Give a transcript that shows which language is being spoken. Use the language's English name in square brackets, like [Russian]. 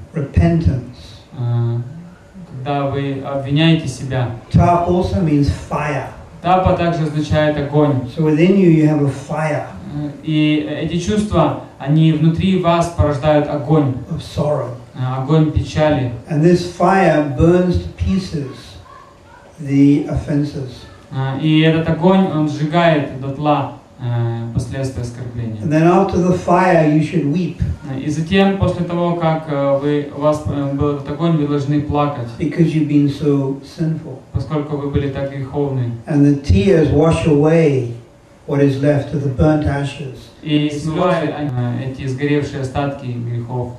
[English] Repentance. [Russian] Когда вы обвиняете себя. [English] Tap also means fire. [Russian] Тапа также означает огонь. [English] So within you have a fire. [Russian] И эти чувства, они внутри вас порождают огонь. [English] Of sorrow. [Russian] Огонь печали. [English] And this fire burns to pieces the offenses. [Russian] И этот огонь, он сжигает дотла последствия оскорбления. [English] And then after the fire you should weep. [Russian] И затем, после того, как у вас был этот огонь, вы должны плакать. [English] Because you've been so sinful. [Russian] Поскольку вы были так греховны. [English] And the tears wash away what is left of the burnt ashes. [Russian] И смывают эти сгоревшие остатки грехов.